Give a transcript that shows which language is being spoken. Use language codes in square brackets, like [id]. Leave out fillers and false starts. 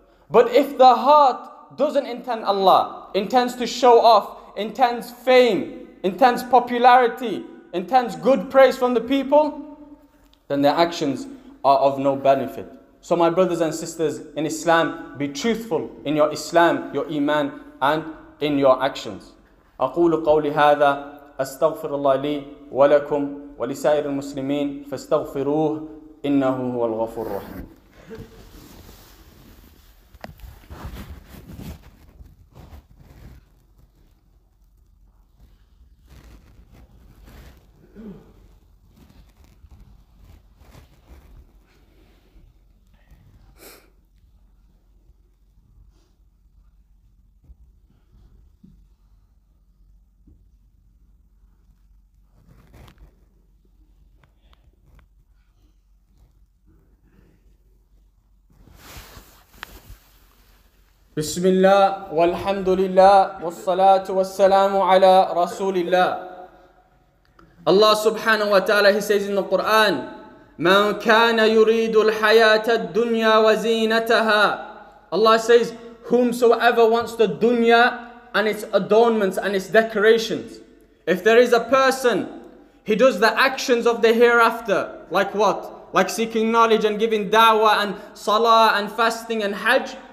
[en] But if the heart doesn't intend Allah, intends to show off, intends fame, intends popularity, intends good praise from the people, then their actions are of no benefit. So my brothers and sisters in Islam, be truthful in your Islam, your Iman, and in your actions. [ar] أقول قولي هذا أستغفر الله لي ولكم ولسائر المسلمين فاستغفروه إنه هو الغفور الرحيم. بسم الله والحمد لله والصلاة والسلام على رسول الله. الله سبحانه وتعالى [en] he says in the Quran, [ar] من كان يريد الحياة الدنيا وزينتها. [en] Allah says, whomsoever wants the dunya and its adornments and its decorations. If there is a person, he does the actions of the hereafter, like what? Like seeking knowledge and giving da'wah and salah and fasting and hajj.